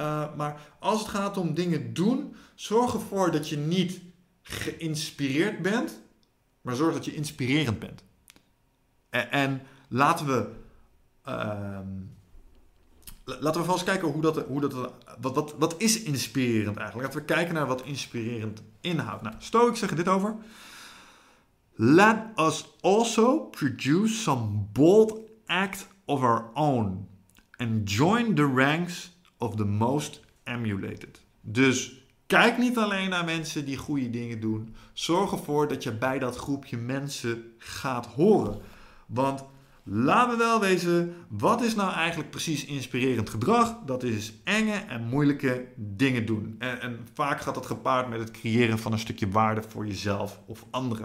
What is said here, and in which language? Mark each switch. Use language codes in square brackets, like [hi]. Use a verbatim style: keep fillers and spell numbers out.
[nl] Uh, maar als het gaat om dingen doen, zorg ervoor dat je niet geïnspireerd bent, maar zorg dat je inspirerend bent. En, en laten we... Uh, Laten we vast kijken hoe dat, hoe dat, wat, wat, wat is inspirerend eigenlijk. Laten we kijken naar wat inspirerend inhoudt. Nou, Stoics zeggen dit over. [en] Let us also produce some bold act of our own. And join the ranks of the most emulated. [nl] Dus kijk niet alleen naar mensen die goede dingen doen. Zorg ervoor dat je bij dat groepje mensen gaat horen. Want... laten we wel wezen, wat is nou eigenlijk precies inspirerend gedrag? Dat is enge en moeilijke dingen doen. En, en vaak gaat dat gepaard met het creëren van een stukje waarde voor jezelf of anderen.